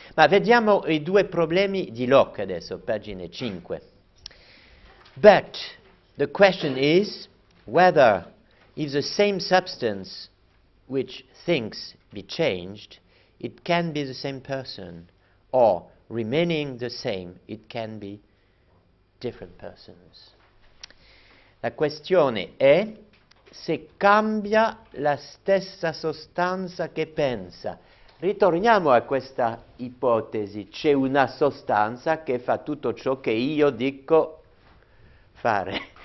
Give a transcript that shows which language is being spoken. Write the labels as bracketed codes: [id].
[it] Ma vediamo i due problemi di Locke adesso, pagina 5. [en] But the question is whether if the same substance which thinks be changed, it can be the same person, or remaining the same, it can be different persons. [it] La questione è se cambia la stessa sostanza che pensa. Ritorniamo a questa ipotesi, c'è una sostanza che fa tutto ciò che io dico fare.